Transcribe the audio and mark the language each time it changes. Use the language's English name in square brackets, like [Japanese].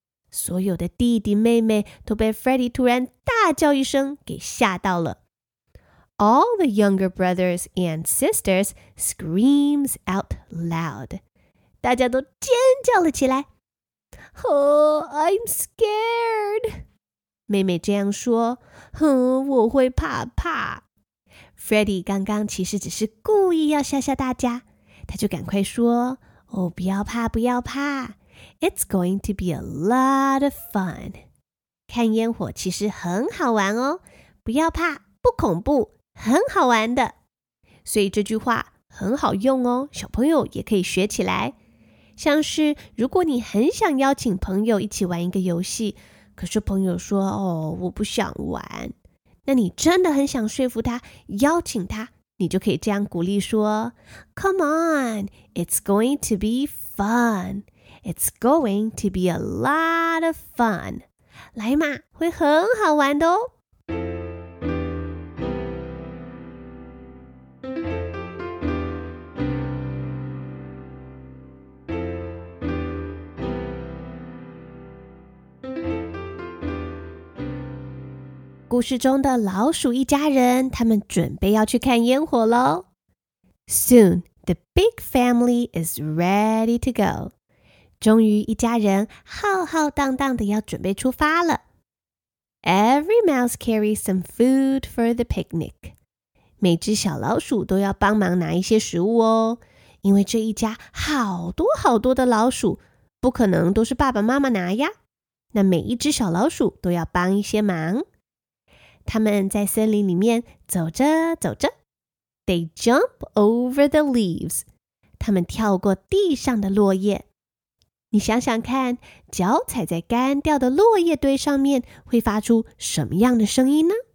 [Chinese] 所有的弟弟妹妹都被 Freddy 突然大叫一声给吓到了。 [English] All the younger brothers and sisters screams out loud. [Chinese] 大家都尖叫了起来。 [English] Oh, I'm scared. [Chinese] 妹妹这样说，哼，我会怕怕。 Freddy 刚刚其实只是故意要吓吓大家，他就赶快说：“哦，不要怕，不要怕 ， [English] It's going to be a lot of fun。 [Chinese] 看烟火其实很好玩哦，不要怕，不恐怖，很好玩的。所以这句话很好用哦，小朋友也可以学起来。像是如果你很想邀请朋友一起玩一个游戏，可是朋友说：‘哦，我不想玩。’” 那你真的很想说服他，邀请他，你就可以这样鼓励说 [English] Come on, it's going to be fun. It's going to be a lot of fun. [Chinese] 来嘛，会很好玩的哦。故事中的老鼠一家人，他们准备要去看烟火咯。 [English] Soon, the big family is ready to go. [Chinese] 终于一家人浩浩荡荡的要准备出发了。 [English] Every mouse carries some food for the picnic. [Chinese] 每只小老鼠都要帮忙拿一些食物哦，因为这一家好多好多的老鼠，不可能都是爸爸妈妈拿呀。那每一只小老鼠都要帮一些忙。他们在森林里面走着走着 [English] They jump over the leaves [Chinese] 他们跳过地上的落叶你想想看脚踩在干掉的落叶堆上面会发出什么样的声音呢